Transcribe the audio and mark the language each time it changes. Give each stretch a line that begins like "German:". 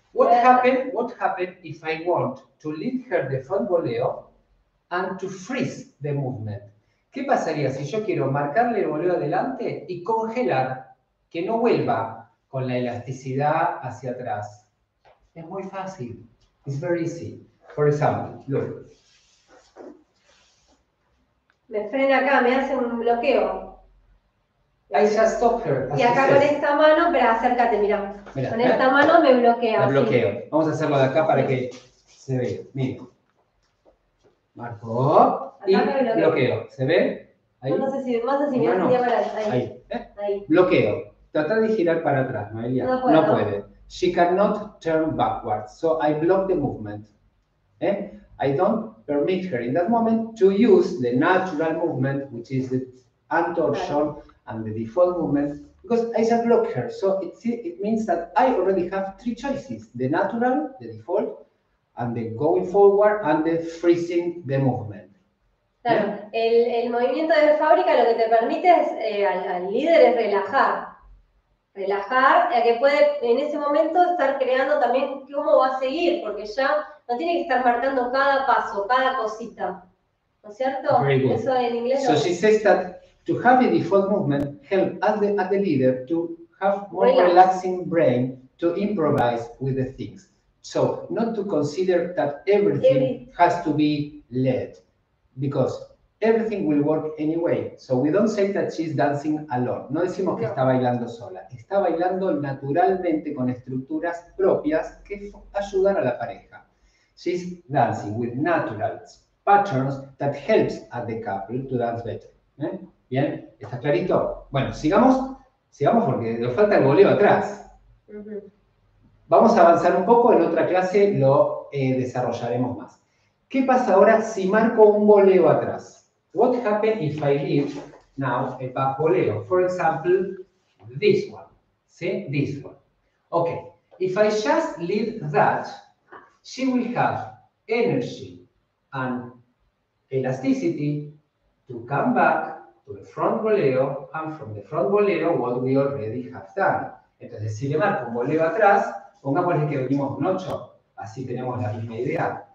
English: What happened if I want to lead her the front voleo and to freeze the movement?
Spanish: ¿Qué pasaría si yo quiero marcarle el voleo adelante y congelar que no vuelva con la elasticidad hacia atrás? Es muy fácil.
English: It's very easy. For example, look.
Spanish: Me frena acá, me hace un bloqueo.
English: I just stop her.
Spanish: Y acá con esta mano, pero acércate, mira. Con esta mano me bloquea. Me bloqueo. Sí. Vamos a hacerlo de acá para que se vea. Mira. Marco. Acá y me bloqueo. ¿Se ve? Ahí. No sé si más así, mira. Ahí. Ahí. Bloqueo. Trata de girar para atrás, Noelia. No puedo. No puede.
English: She cannot turn backwards. So I block the movement. I don't permit her in that moment to use the natural movement, which is the antorsion. And the default movement, because I just block her. So it means that I already have three choices, the natural, the default, and the going forward, and the freezing the movement.
Spanish: Claro,
English: yeah?
Spanish: el movimiento de fábrica lo que te permite es, al líder es relajar. Relajar, ya que puede en ese momento estar creando también cómo va a seguir, porque ya no tiene que estar marcando cada paso, cada cosita. ¿No es cierto?
English: Very good.
Spanish: Eso en inglés.
English: So she says that to have a default movement help at the leader to have more relaxing brain to improvise with the things. So not to consider that everything has to be led, because everything will work anyway. So we don't say that she's dancing alone.
Spanish: No decimos que está bailando sola. Está bailando naturalmente con estructuras propias que ayudan a la pareja.
English: She's dancing with natural patterns that helps at the couple to dance better.
Spanish: ¿Eh? Bien, ¿está clarito? Bueno, sigamos porque nos falta el voleo atrás. Vamos a avanzar un poco, en otra clase lo desarrollaremos más. ¿Qué pasa ahora si marco un voleo atrás?
English: What happens if I leave now a back voleo? For example, this one.
Spanish: ¿Sí?
English: This one. Ok, if I just leave that, she will have energy and elasticity to come back to the front voleo, and from the front voleo, what we already have done.
Spanish: Entonces, si le marco un voleo atrás, pongámosle que venimos un 8, así tenemos la misma idea.